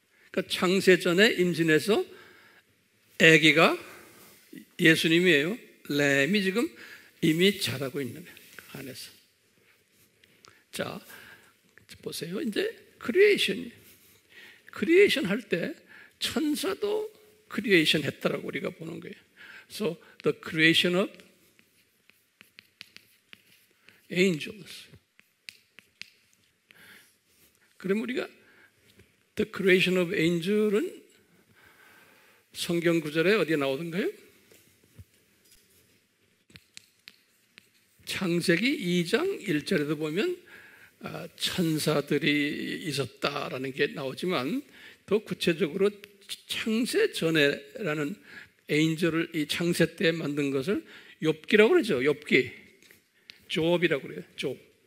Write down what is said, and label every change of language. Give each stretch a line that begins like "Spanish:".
Korean: 그러니까 창세 전에 임신해서 아기가 예수님이에요. 램이 지금 이미 자라고 있는 거예요. 안에서. 자, 보세요. 이제 크리에이션. 크리에이션 할 때 천사도 크리에이션 했다라고 우리가 보는 거예요.
English: So the creation of angels.
Korean: 그럼 우리가
English: the creation of angel
Korean: 은 성경 구절에 어디에 나오던가요? 창세기 2장 1절에도 보면 천사들이 있었다라는 게 나오지만 더 구체적으로 창세 전에라는 에인저를 이 창세 때 만든 것을 욥기라고 그러죠. 욥기. 욥이라고 그래요. 욥.